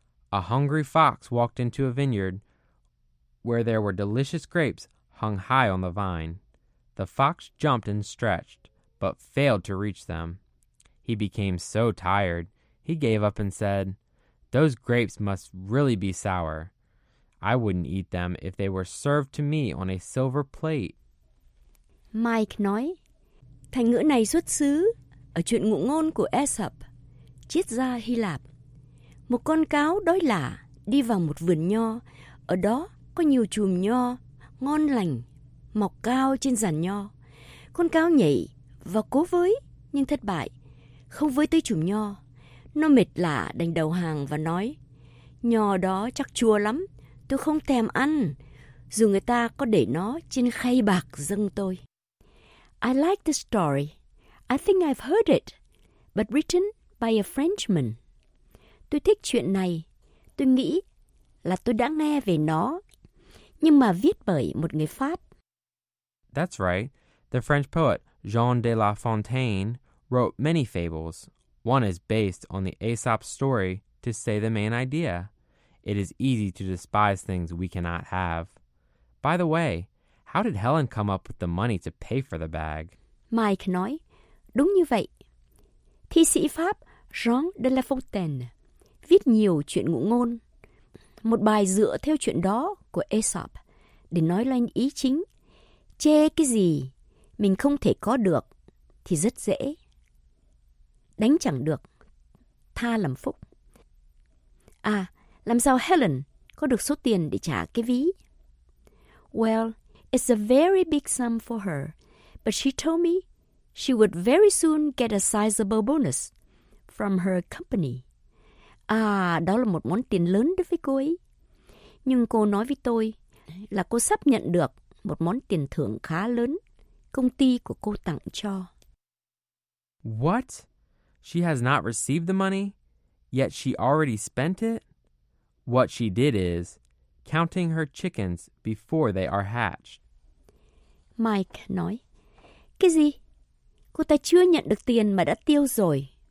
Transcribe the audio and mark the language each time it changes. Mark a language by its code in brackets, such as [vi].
[en] A hungry fox walked into a vineyard where there were delicious grapes hung high on the vine. The fox jumped and stretched, but failed to reach them. He became so tired, he gave up and said, "Those grapes must really be sour. I wouldn't eat them if they were served to me on a silver plate." [vi] Mike nói, thành ngữ này xuất xứ ở chuyện ngụ ngôn của Aesop, triết gia Hy Lạp. Một con cáo đói lả đi vào một vườn nho, ở đó có nhiều chùm nho ngon lành, mọc cao trên giàn nho. Con cáo nhảy và cố với, nhưng thất bại, không với tới chùm nho. Nó mệt lạ đành đầu hàng và nói, nho đó chắc chua lắm, tôi không thèm ăn, dù người ta có để nó trên khay bạc dâng tôi. [en] I like the story. I think I've heard it, but written by a Frenchman. [vi] Tôi thích chuyện này. Tôi nghĩ là tôi đã nghe về nó, nhưng mà viết bởi một người Pháp. [en] That's right. The French poet Jean de La Fontaine wrote many fables. One is based on the Aesop story to say the main idea. It is easy to despise things we cannot have. By the way, How did Helen come up with the money to pay for the bag? [vi] Mike nói, đúng như vậy. Thi sĩ Pháp Jean de La Fontaine viết nhiều chuyện ngụ ngôn. Một bài dựa theo chuyện đó của Aesop để nói lên ý chính. Chê cái gì mình không thể có được thì rất dễ. Đánh chẳng được, tha làm phúc. À, làm sao Helen có được số tiền để trả cái ví? [en] Well, it's a very big sum for her, but she told me she would very soon get a sizable bonus from her company. [vi] À, đó là một món tiền lớn đối với cô ấy. Nhưng cô nói với tôi là cô sắp nhận được một món tiền thưởng khá lớn công ty của cô tặng cho. [en] What? She has not received the money, yet she already spent it? What she did is counting her chickens before they are hatched. [vi] Mike nói, cái gì? Cô ta chưa nhận được tiền mà đã tiêu rồi.